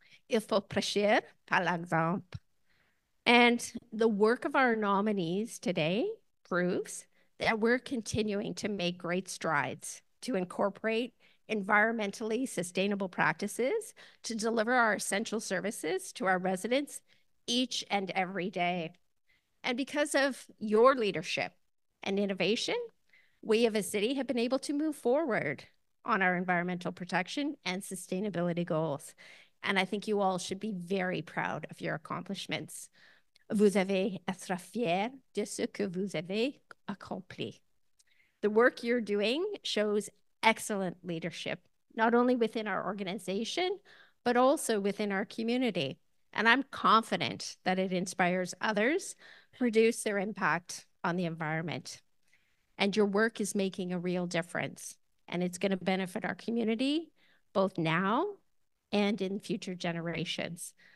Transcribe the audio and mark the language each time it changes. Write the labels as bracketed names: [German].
[French] Il faut prêcher par l'exemple. [English] And the work of our nominees today proves that we're continuing to make great strides to incorporate environmentally sustainable practices to deliver our essential services to our residents each and every day. And because of your leadership and innovation, we as a city have been able to move forward on our environmental protection and sustainability goals. And I think you all should be very proud of your accomplishments. [French] Vous avez être fier de ce que vous avez accompli. [English] The work you're doing shows excellent leadership, not only within our organization, but also within our community. And I'm confident that it inspires others to reduce their impact on the environment. And your work is making a real difference, and it's going to benefit our community both now and in future generations.